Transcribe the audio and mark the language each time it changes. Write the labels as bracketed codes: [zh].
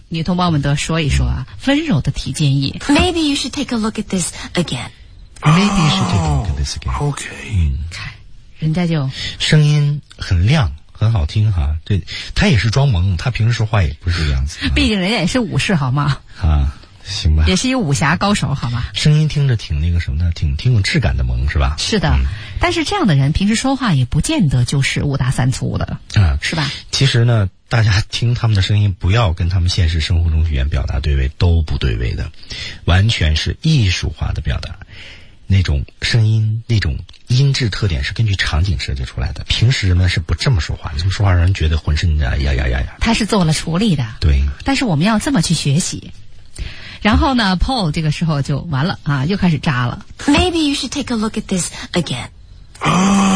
[zh] 女同胞们都说一说啊，温柔的提建议。 [en] Maybe you should take a look at this again。 Maybe you should take a look at this again。 OK。 [zh] 看，人家就声音很亮。很好听哈，对，他也是装萌，他平时说话也不是这样子。毕竟人家也是武士，好吗？啊，行吧。也是一武侠高手，好吗？声音听着挺那个什么的，挺有质感的萌，是吧？是的，但是这样的人平时说话也不见得就是五大三粗的，是吧？其实呢，大家听他们的声音，不要跟他们现实生活中语言表达对位，都不对位的，完全是艺术化的表达。那种声音那种音质特点是根据场景设计出来的，平时人们是不这么说话，这么说话让人觉得浑身的呀呀呀呀，他是做了处理的。对，但是我们要这么去学习。然后呢 Paul 这个时候就完了啊，又开始扎了。 [en] Maybe you should take a look at this again。